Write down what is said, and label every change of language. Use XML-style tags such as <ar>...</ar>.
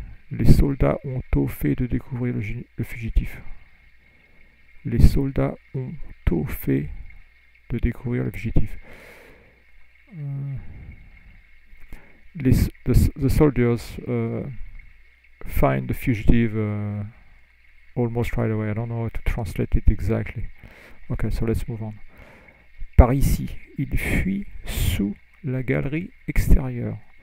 <fr>Les soldats ont tôt fait de découvrir le fugitif. Les soldats ont tôt fait de découvrir le fugitif.</fr> <en>The soldiers find the fugitive almost right away. I don't know how to translate it exactly. Okay, so let's move on.</en> <fr>Par ici, il fuit sous la galerie extérieure.</fr>